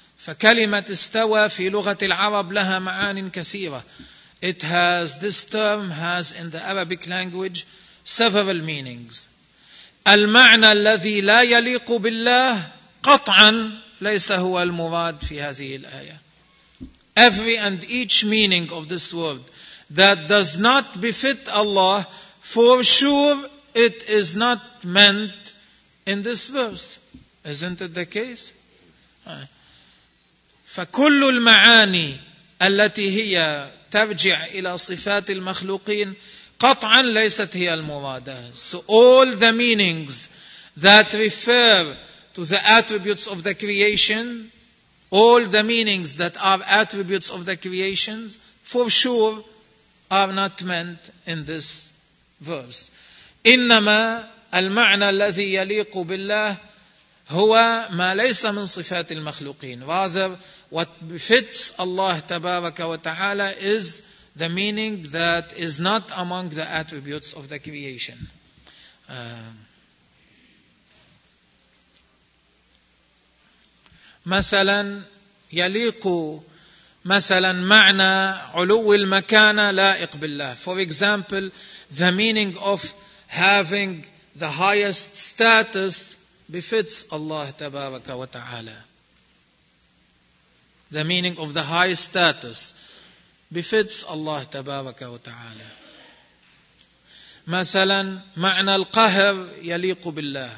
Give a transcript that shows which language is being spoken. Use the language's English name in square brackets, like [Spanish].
[Arabic] فكلمة استوى في لغة العرب لها معان كثيرة. [English] It has, this term has in the Arabic language several meanings. [Arabic] المعنى الذي لا يليق بالله قطعا ليس هو المراد في هذه الآية. [English] Every and each meaning of this word that does not befit Allah, for sure it is not meant in this verse. Isn't it the case? [Arabic] فكل المعاني التي هي ترجع إلى صفات المخلوقين قطعا ليست هي المرادة. [English] So all the meanings that refer to the attributes of the creation, all the meanings that are attributes of the creation, for sure are not meant in this verse. [Arabic] إنما المعنى الذي يليق بالله هو ما ليس من صفات المخلوقين. [English] Rather, what befits Allah تبارك وتعالى is the meaning that is not among the attributes of the creation. [Arabic] مثلا يليق مثلا معنى علو المكانة لائق بالله. [English] For example, the meaning of having the highest status befits Allah تبارك وتعالى. The meaning of the highest status befits Allah تبارك وتعالى. [Arabic] مثلا معنى القهر يليق بالله.